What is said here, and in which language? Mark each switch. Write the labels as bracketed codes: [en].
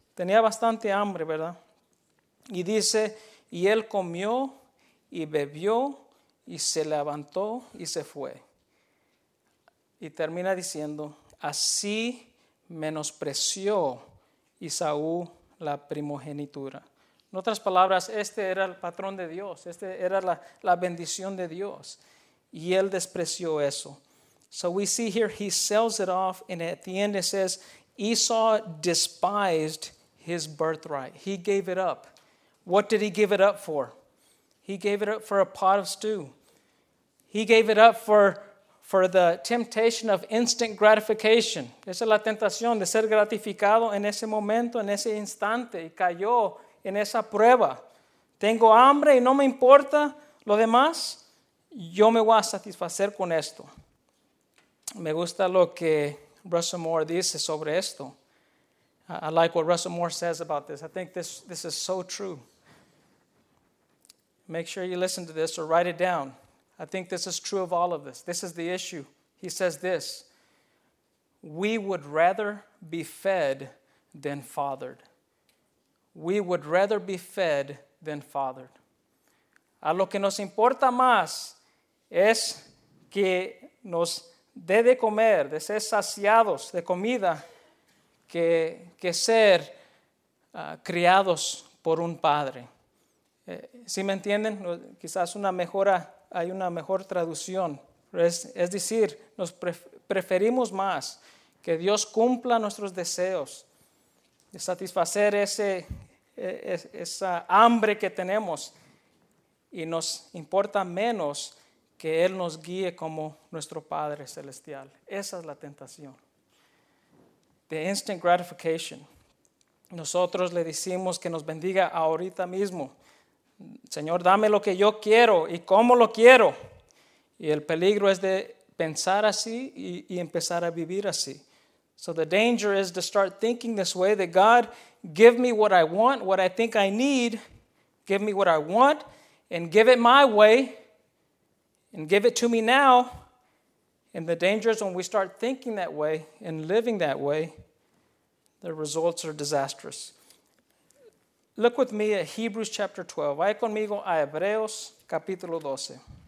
[es] Tenía bastante hambre, ¿verdad? Y dice, y él comió y bebió y se levantó y se fue. Y termina diciendo, así menospreció Esaú la primogenitura. En otras palabras, este era el patrón de Dios. Este era la bendición de Dios. Y él despreció eso. [en] So we see here, he sells it off. And at the end it says, Esau despised his birthright. He gave it up. What did he give it up for? He gave it up for a pot of stew. He gave it up for the temptation of instant gratification. [es] Esa es la tentación de ser gratificado en ese momento, en ese instante. Y cayó en esa prueba. Tengo hambre y no me importa lo demás. Yo me voy a satisfacer con esto. Me gusta lo que Russell Moore dice sobre esto. [en] I like what Russell Moore says about this. I think this is so true. Make sure you listen to this or write it down. I think this is true of all of this. This is the issue. He says this. We would rather be fed than fathered. We would rather be fed than fathered. [es] A lo que nos importa más es que nos dé de comer, de ser saciados de comida, que ser criados por un padre. ¿Sí me entienden? Quizás hay una mejor traducción. Es decir, nos preferimos más que Dios cumpla nuestros deseos de satisfacer esa hambre que tenemos, y nos importa menos que Él nos guíe como nuestro Padre Celestial. Esa es la tentación. [en] The instant gratification. [es] Nosotros le decimos que nos bendiga ahorita mismo. Señor, dame lo que yo quiero y cómo lo quiero. Y el peligro es de pensar así y empezar a vivir así. [en] So the danger is to start thinking this way, that God, give me what I want, what I think I need. Give me what I want and give it my way. And give it to me now. And the danger is when we start thinking that way and living that way, the results are disastrous. Look with me at Hebrews chapter 12. [es] Vaya conmigo a Hebreos capítulo 12.